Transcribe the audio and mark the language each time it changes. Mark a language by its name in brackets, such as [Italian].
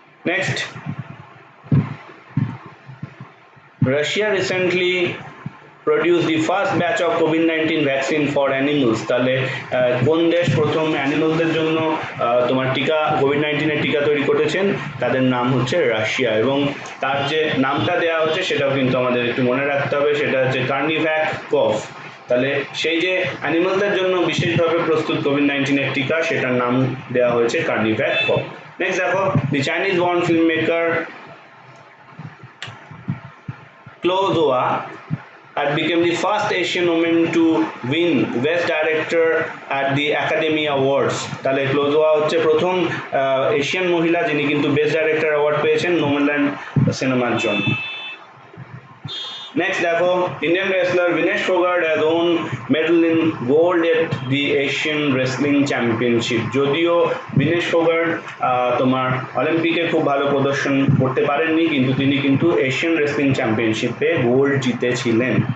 [Bangla] Next, [English] Russia recently produce the first batch of COVID-19 vaccine for animals, [Bangla] তাহলে কোন দেশ প্রথম অ্যানিমালসদের জন্য তোমার টিকা COVID-19 টিকা তৈরি করেছেন, তাদের নাম হচ্ছে রাশিয়া, এবং তার যে নামটা দেওয়া হচ্ছে সেটাও কিন্তু আমাদের একটু মনে রাখতে হবে, সেটা হচ্ছে কার্নিভ্যাক কফ, তাহলে সেই যে অ্যানিমালসদের জন্য বিশেষভাবে প্রস্তুত COVID-19 টিকা সেটার নাম দেওয়া হয়েছে কার্নিভ্যাক কফ। [English] Next দেখো, the Chinese born film maker Chloe Zhao had become the first Asian woman to win Best Director at the Academy Awards. [Bangla] তাহলে ক্লোজোয়া হচ্ছে প্রথম এশিয়ান মহিলা যিনি কিন্তু বেস্ট ডাইরেক্টর অ্যাওয়ার্ড পেয়েছেন নোম্যানল্যান্ড সিনেমার জন্য। নেক্সট দেখো, [English] Indian wrestler Vinesh Phogat has won medal in gold at the Asian wrestling championship, [Bangla] যদিও বিনেশ ফোগার্ড তোমার অলিম্পিকে খুব ভালো প্রদর্শন করতে পারেননি, কিন্তু তিনি কিন্তু এশিয়ান রেসলিং চ্যাম্পিয়নশিপে গোল্ড জিতেছিলেন।